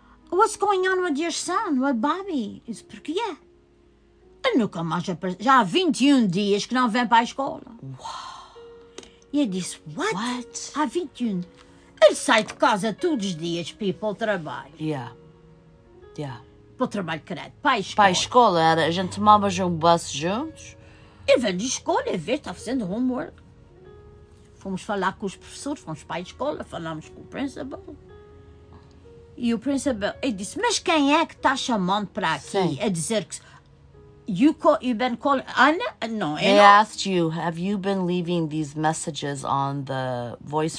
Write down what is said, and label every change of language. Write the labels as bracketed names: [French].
[English] What's going on with your son, with Bobby? [Portuguese] Eu disse, porque é? Ele nunca mais apareceu. Já há 21 dias que não vem para a escola. [English] Wow. [Portuguese] E eu disse, [English] what? What? [Portuguese] Há 21. Ele sai de casa todos os dias para ir para o trabalho. [English] Yeah. Yeah. [Portuguese] Para o trabalho credo, para a escola. Para a escola, era. A gente tomava já um bus juntos. Ele veio de escola, ele veio, está fazendo homework. Fomos falar com os professores, fomos para a escola, falámos com o principal. E o principal, ele disse, mas quem é que está chamando para aqui? Sim. A dizer que... [English] You've been calling... [Portuguese] Ana? Não, eu [English] They [Portuguese] não. [English] asked you, have you been leaving these messages on the voice